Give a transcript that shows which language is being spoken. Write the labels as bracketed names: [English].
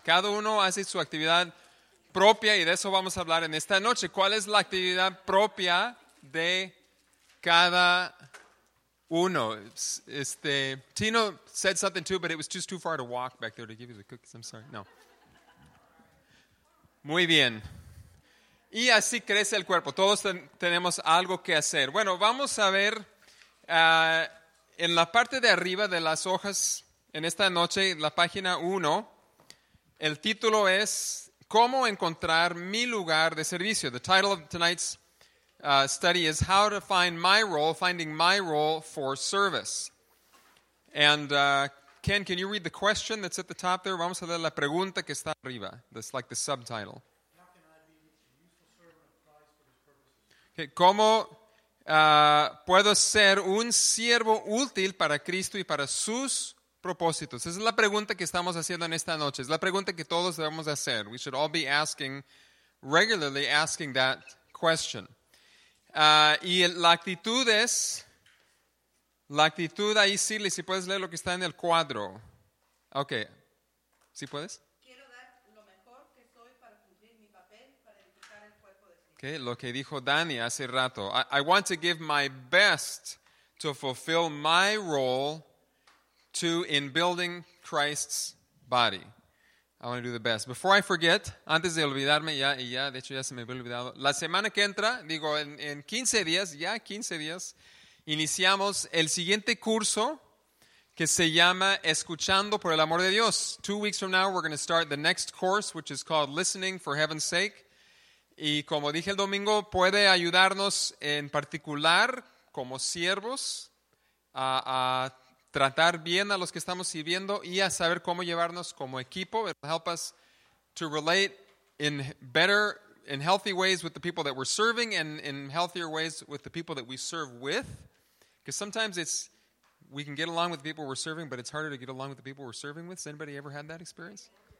[Spanish] Cada uno hace su actividad propia, y de eso vamos a hablar en esta noche. ¿Cuál es la actividad propia de cada uno? [English] Este, Tino said something too, but it was just too far to walk back there to give you the cookies. I'm sorry. No. [Spanish] Muy bien. Y así crece el cuerpo. Todos tenemos algo que hacer. Bueno, vamos a ver en la parte de arriba de las hojas, en esta noche, la página 1, el título es ¿Cómo encontrar mi lugar de servicio? [English] The title of tonight's study is How to Find My Role, Finding My Role for Service. And Ken, can you read the question that's at the top there? [Spanish] Vamos a leer la pregunta que está arriba. [English] That's like the subtitle. How can I be a useful servant of Christ for His purposes? [Spanish] ¿Cómo puedo ser un siervo útil para Cristo y para sus propósitos? Esa es la pregunta que estamos haciendo en esta noche. Es la pregunta que todos debemos hacer. [English] We should all be asking, regularly asking that question. [Spanish] Y la actitud es, la actitud ahí, Silly, si puedes leer lo que está en el cuadro. Ok. ¿Sí puedes? Quiero dar lo mejor que soy para cumplir mi papel, para edificar el cuerpo de Cristo. [English] Ok, lo que dijo Dani hace rato. I want to give my best to fulfill my role to in building Christ's body. I want to do the best. [Spanish] Before I forget, antes de olvidarme ya, y ya, de hecho ya se me había olvidado, la semana que entra, digo, en 15 días, ya 15 días, iniciamos el siguiente curso que se llama Escuchando por el Amor de Dios. [English] 2 weeks from now, we're going to start the next course, which is called Listening for Heaven's Sake. [Spanish] Y como dije el domingo, puede ayudarnos en particular como siervos a tratar bien a los que estamos sirviendo y a saber cómo llevarnos como equipo. [English] It'll help us to relate in better, in healthy ways with the people that we're serving and in healthier ways with the people that we serve with. Because sometimes it's, we can get along with the people we're serving, but it's harder to get along with the people we're serving with. Has anybody ever had that experience?